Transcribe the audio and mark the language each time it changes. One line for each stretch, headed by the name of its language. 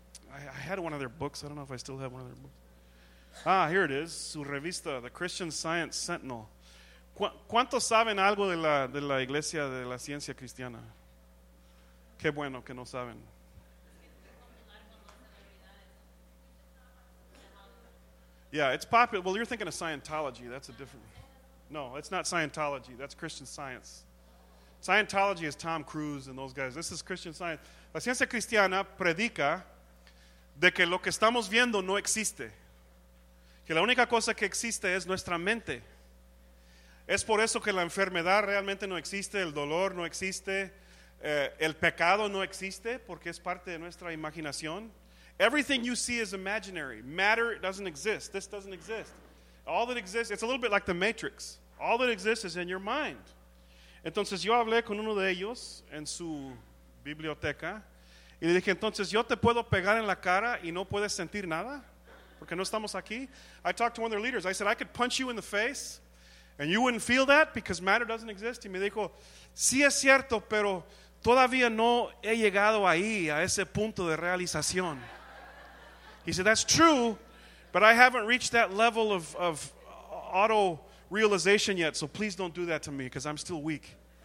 English: I had one of their books. I don't know if I still have one of their books. Ah, here it is,
Spanish: su revista,
English: The Christian Science Sentinel.
Spanish: ¿Cuántos saben algo de la Iglesia de la Ciencia Cristiana? Qué bueno que no saben.
English: Yeah, it's popular. Well, you're thinking of Scientology. That's a different... No, it's not Scientology. That's Christian Science. Scientology is Tom Cruise and those guys. This is Christian Science.
Spanish: La Ciencia Cristiana predica de que lo que estamos viendo no existe. Que la única cosa que existe es nuestra mente. Es por eso que la enfermedad realmente no existe, el dolor no existe, el pecado no existe, porque es parte de nuestra imaginación.
English: Everything you see is imaginary. Matter doesn't exist. This doesn't exist. All that exists, it's a little bit like the Matrix. All that exists is in your mind.
Spanish: Entonces yo hablé con uno de ellos en su biblioteca y le dije, entonces yo te puedo pegar en la cara y no puedes sentir nada. Porque no estamos aquí.
English: I talked to one of their leaders. I said, I could punch you in the face and you wouldn't feel that because matter doesn't exist.
Spanish: Y me dijo, sí es cierto, pero todavía no he llegado ahí, a ese punto de realización.
English: He said, that's true, but I haven't reached that level of auto-realization yet, so please don't do that to me because I'm still weak.